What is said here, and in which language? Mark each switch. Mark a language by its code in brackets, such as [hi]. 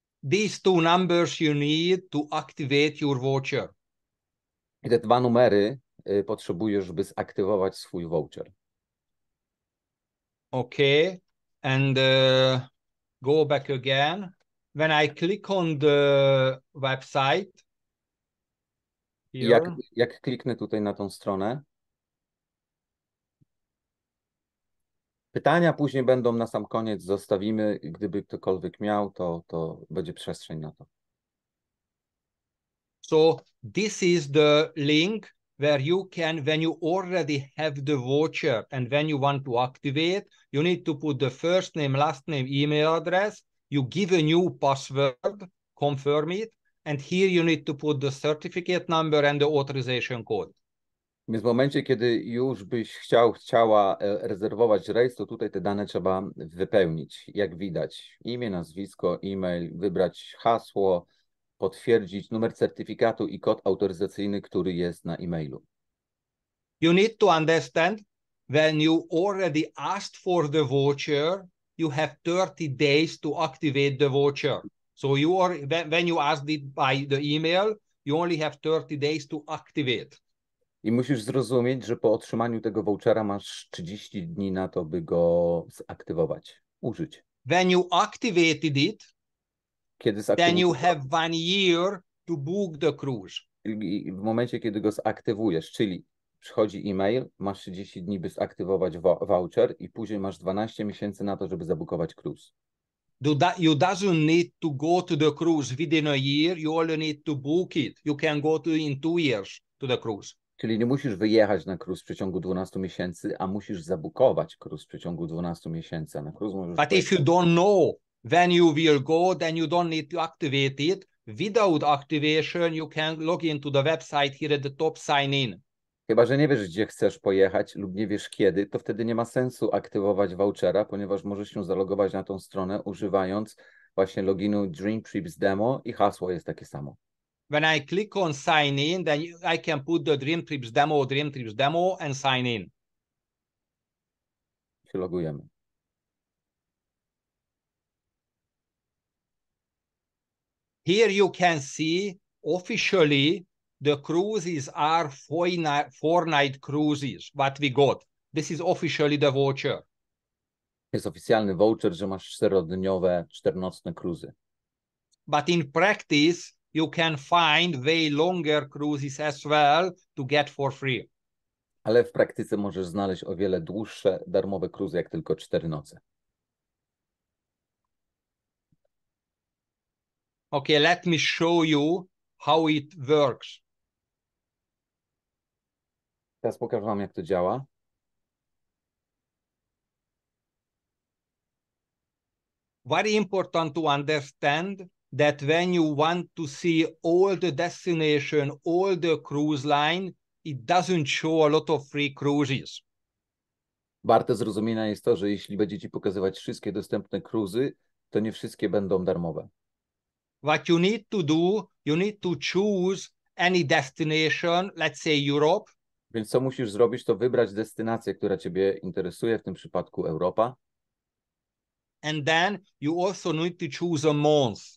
[en] These two numbers you need to activate your voucher. [pl] I te dwa numery potrzebujesz, by zaktywować swój voucher. [en] Okay, and go back again. When I click on the website, here, [pl] jak kliknę tutaj na tą stronę, pytania później będą na sam koniec, zostawimy, gdyby ktokolwiek miał, to będzie przestrzeń na to. [en] So this is the link where you can, when you already have the voucher and when you want to activate, you need to put the first name, last name, email address. You give a new password, confirm it, and here you need to put the certificate number and the authorization code. [pl] Więc w momencie, kiedy już byś chciała rezerwować rejs, to tutaj te dane trzeba wypełnić. Jak widać, imię, nazwisko, e-mail, wybrać hasło, potwierdzić numer certyfikatu i kod autoryzacyjny, który jest na e-mailu. [en] You need to understand, when you already asked for the voucher, you have 30 days to activate the voucher. So you are, when you asked it by the email, you only have 30 days to activate. [pl] I musisz zrozumieć, że po otrzymaniu tego vouchera masz 30 dni na to, by go zaktywować, użyć. [en] When you activated it, then you have 1 year to book the cruise. [pl] I w momencie, kiedy go zaktywujesz, czyli przychodzi e-mail, masz 30 dni, by zaktywować voucher i później masz 12 miesięcy na to, żeby zabukować cruise. [en] You doesn't need to go to the cruise within a year, you only need to book it. You can go to in 2 years to the cruise. [pl] Czyli nie musisz wyjechać na cruise w przeciągu 12 miesięcy, a musisz zabukować cruise w przeciągu 12 miesięcy. Na cruise możesz. [en] But [pl] pojechać. [en] If you don't know when you will go, then you don't need to activate it. Without activation, you can log into the website here at the top, sign in. [pl] Chyba że nie wiesz, gdzie chcesz pojechać lub nie wiesz kiedy, to wtedy nie ma sensu aktywować vouchera, ponieważ możesz się zalogować na tą stronę używając właśnie loginu Dream Trips Demo i hasło jest takie samo. [en] When I click on sign in, then I can put the Dream Trips Demo and sign in. [pl] Się logujemy. [en] Here you can see officially the cruises are four night cruises, what we got. This is officially the voucher. [pl] Jest oficjalny voucher, że masz czterodniowe, czternocne cruise. [en] But in practice, you can find way longer cruises as well to get for free. [pl] Ale w praktyce możesz znaleźć o wiele dłuższe, darmowe cruise, jak tylko cztery noce. [en] Okay, let me show you how it works. [pl] Teraz pokażę wam, jak to działa. [en] Very important to understand that when you want to see all the destination, all the cruise line, it doesn't show a lot of free cruises. [pl] Warte zrozumienia jest to, że jeśli będziecie pokazywać wszystkie dostępne cruise, to nie wszystkie będą darmowe. [en] What you need to do, you need to choose any destination, let's say Europe. [pl] Więc co musisz zrobić, to wybrać destynację, która ciebie interesuje, w tym przypadku Europa. [en] And then you also need to choose a month.